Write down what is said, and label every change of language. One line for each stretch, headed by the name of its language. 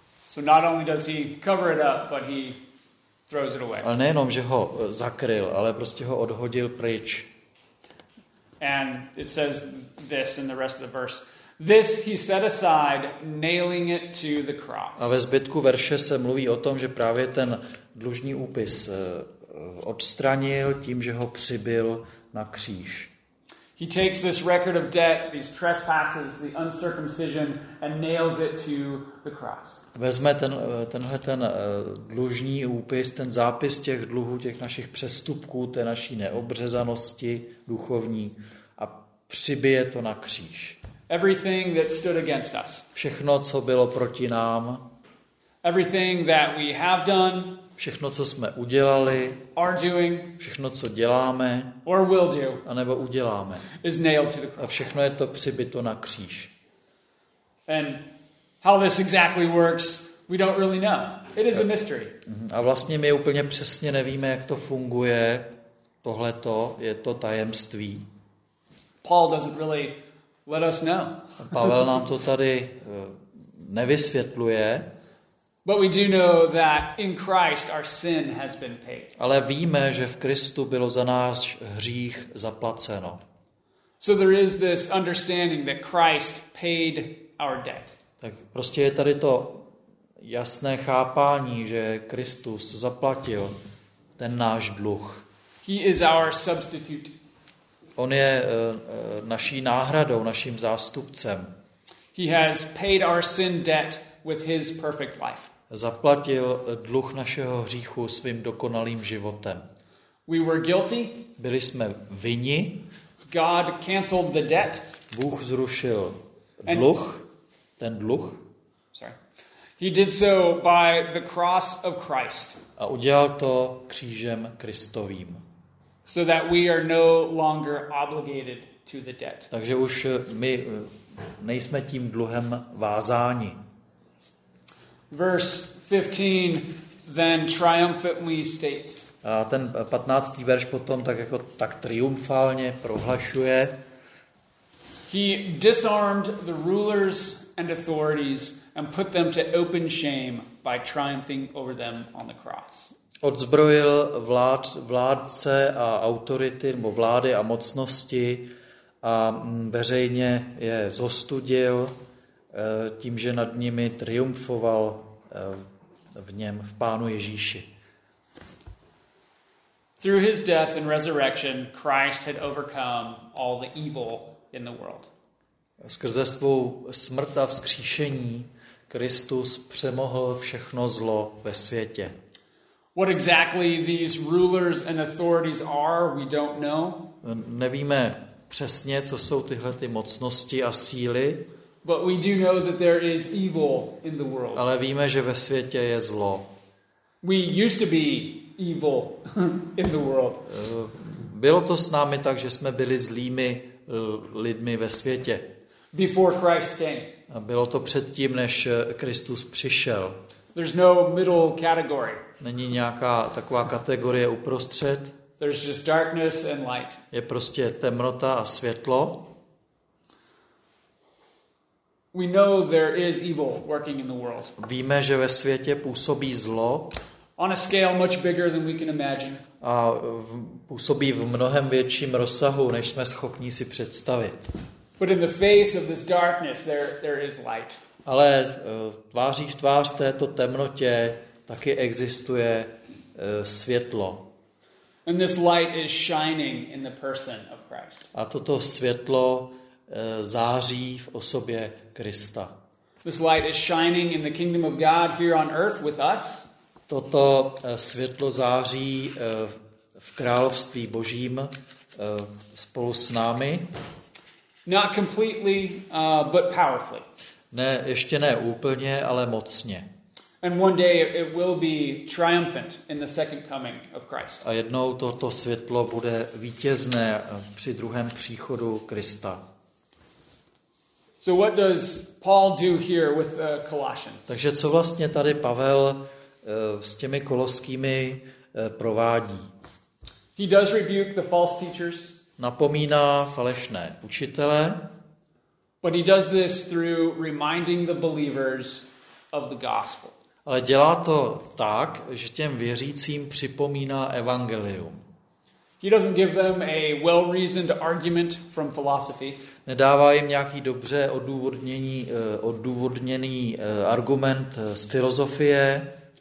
English: So not only does he cover it up, but he throws it away.
Czech: Ale nejenom, že ho zakryl, ale prostě ho odhodil pryč.
English: And it says this in the rest of the verse. This he set aside, nailing it to the cross.
Czech: A ve zbytku verše se mluví o tom, že právě ten dlužní úpis odstranil tím, že ho přibil na kříž.
English: He takes this record of debt, these trespasses, the uncircumcision, and nails it to the cross.
Czech: Vezme tenhle dlužní úpis, ten zápis těch dluhů, těch našich přestupků, té naší neobřezanosti duchovní a přibije to na kříž.
English: Everything that stood against us.
Czech: Všechno, co bylo proti nám.
English: Everything that we have done.
Czech: Všechno, co jsme udělali.
English: Are doing.
Czech: Všechno, co děláme.
English: Or will do.
Czech: A nebo uděláme.
English: Is nailed to the cross.
Czech: A všechno je to přibito na kříž.
English: And how this exactly works, we don't really know. It is a mystery.
Czech: A vlastně my úplně přesně nevíme, jak to funguje. Tohle to je to tajemství.
English: Paul doesn't really let us know.
Czech: Pavel nám to tady nevysvětluje.
English: But we do know that in Christ our sin has been paid.
Czech: Ale víme, že v Kristu bylo za nás hřích zaplaceno.
English: So there is this understanding that Christ paid our debt.
Czech: Tak prostě je tady to jasné chápání, že Kristus zaplatil ten náš dluh.
English: He is our substitute.
Czech: On je naší náhradou, naším zástupcem.
English: He has paid our sin debt with his perfect life.
Czech: Zaplatil dluh našeho hříchu svým dokonalým životem.
English: We were guilty.
Czech: Byli jsme vinni.
English: God canceled the debt.
Czech: Bůh zrušil dluh, ten dluh.
English: Sorry. He did so by the cross of Christ.
Czech: A udělal to křížem Kristovým.
English: So that we are no longer obligated to the debt.
Czech: Takže už my nejsme tím dluhem vázáni.
English: Verse 15 then triumphantly states.
Czech: A ten 15. verš potom tak jako tak triumfálně prohlašuje.
English: He disarmed the rulers and authorities and put them to open shame by triumphing over them on the cross.
Czech: Odzbrojil vládce a autority, nebo vlády a mocnosti a veřejně je zostudil tím, že nad nimi triumfoval v něm, v Pánu Ježíši.
English: Through his death and resurrection, Christ had overcome all the evil in the world.
Czech: Skrze svou smrt a vzkříšení Kristus přemohl všechno zlo ve světě.
English: What exactly these rulers and authorities are, we don't know.
Czech: Nevíme přesně, co jsou tyhle ty mocnosti a síly.
English: But we do know that there is evil in the world.
Czech: Ale víme, že ve světě je zlo.
English: We used to be evil in the world.
Czech: Bylo to s námi tak, že jsme byli zlými lidmi ve světě.
English: Before Christ came.
Czech: A bylo to předtím, než Kristus přišel.
English: There's no middle category.
Czech: Není nějaká taková kategorie uprostřed.
English: There's just darkness and light.
Czech: Je prostě temnota a světlo.
English: We know there is evil working in the world.
Czech: Víme, že ve světě působí zlo.
English: On a scale much bigger than we can imagine.
Czech: A působí v mnohem větším rozsahu, než jsme schopni si představit.
English: But in the face of this darkness, there is light.
Czech: Ale tváří v tvář této temnotě taky existuje světlo.
English: And this light is shining in the person of Christ.
Czech: A toto světlo září v osobě Krista.
English: This light is shining in the kingdom of God here on earth with us.
Czech: Toto světlo září v království Božím spolu s námi.
English: Not completely, but powerfully.
Czech: Ne, ještě ne úplně, ale mocně.
English: And one day it will be triumphant in the second coming of Christ.
Czech: A jednou toto světlo bude vítězné při druhém příchodu Krista.
English: So what does Paul do here with the Colossians?
Czech: Takže co vlastně tady Pavel s těmi koloskými provádí?
English: He does rebuke the false teachers.
Czech: Napomíná falešné učitele.
English: But he does this through reminding the believers of the gospel.
Czech: Ale dělá to tak, že těm věřícím připomíná evangelium.
English: He doesn't give them a well-reasoned argument from philosophy.
Czech: Nedává jim nějaký dobře odůvodněný argument z filozofie.